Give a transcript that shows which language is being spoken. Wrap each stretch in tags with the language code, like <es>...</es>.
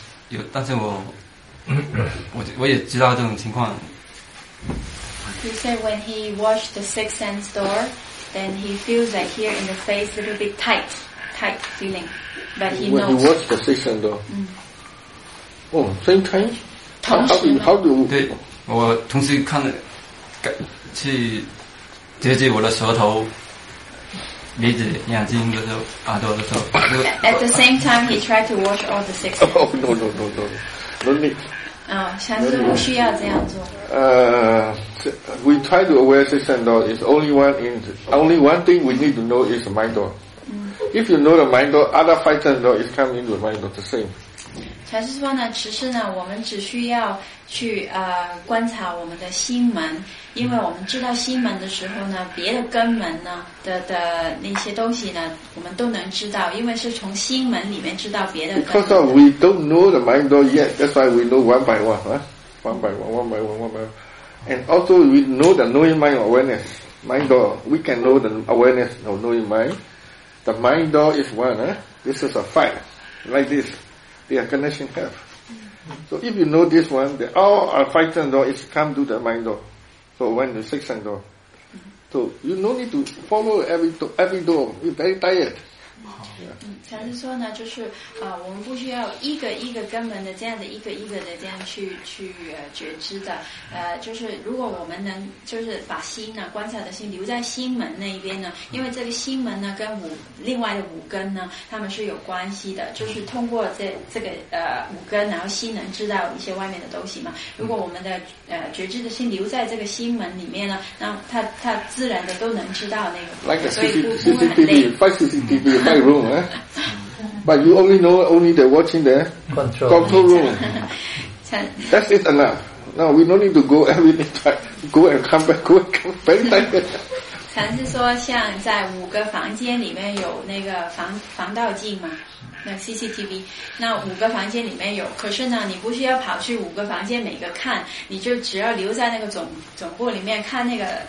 <zh>有，但是我也知道这种情况。</zh> <en>He said when he watched the sixth sense door, then he feels that here in the face a little bit tight feeling, but he knows. When he watched the sixth sense door. 嗯。哦，真</en> <zh>开。同时。对，我同时看去接近我的舌头。鼻子、眼睛的时候，耳朵的时候。</zh> <en>At the same time, he tried to watch all the six. Oh no!</en> <zh>能力。下次不需要这样做。</zh> <en>We try to aware six and all. It's only one in. Only one thing we need to know is mind door. If you know the mind door, other five sense door is coming into the mind door the same.</en> <zh>禅师说呢，其实呢，我们只需要去观察我们的心门，因为我们知道心门的时候呢，别的根门呢的那些东西呢，我们都能知道，因为是从心门里面知道别的根门。</zh> <en>Because we don't know the mind door yet, that's why we know one by one, huh? One by one. And also we know the knowing mind awareness, mind door. We can know the awareness of knowing mind. The mind door is one, huh? This is a five, like this. They are connection have. So if you know this one, that all our five sense door is come to the mind door. So when the six sense door. So you no need to follow every door. You're very tired.</en> <zh>禅师说呢，就是我们不需要一个一个根本的这样的一个一个的这样去觉知的。就是如果我们能就是把心呢观察的心留在心门那一边呢，因为这个心门呢跟另外的五根呢，他们是有关系的。就是通过这个五根，然后心能知道一些外面的东西嘛。如果我们的觉知的心留在这个心门里面呢，那它自然的都能知道那个。</zh> <en>Like a CCTV, five CCTV, five room, But you only know only the watching the control room. That's it enough. No, we don't need to go every time. Go and come back, go and come back. Very tired.</en> <zh>禅师说，像在五个房间里面有那个防盗镜嘛，那 CCTV， 那五个房间里面有。可是呢，你不需要跑去五个房间每个看，你就只要留在那个总部里面看那个</zh>